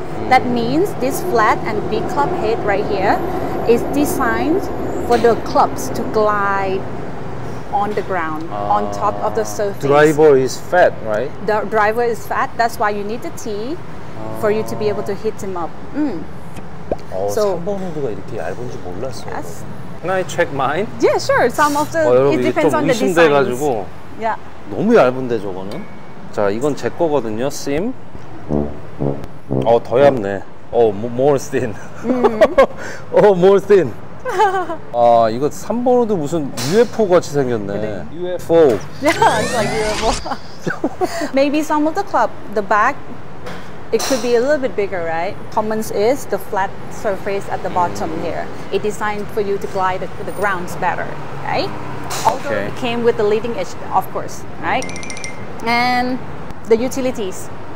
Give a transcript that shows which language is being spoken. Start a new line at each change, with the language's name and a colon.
English: That means this flat and big club head right here is designed for the clubs to glide on the ground, on top of the surface. Driver is fat, right? The driver is fat. That's why you need the tee for you to be able to hit him up.
Korean: So 3번 홀드가 이렇게 얇은 줄 몰랐어요.
English: Yes. Can I check mine? Yeah, sure. Some of the it depends on the design.
Korean: 돼가지고.
English: Yeah.
Korean: 너무 얇은데 저거는. 자, 이건 제 거거든요. Sim. 어, 더 얇네.
English: Oh, more thin. Oh, more thin.
Korean: 아, 이거 3번 홀드 무슨 UFO 같이 생겼네.
English: UFO. Yeah, it's like UFO. Maybe some of the club, the back, it could be a little bit bigger, right? Common is the flat surface at the bottom here. It's designed for you to glide the grounds better, right? Although it came with the leading edge, of course, right? And the utilities.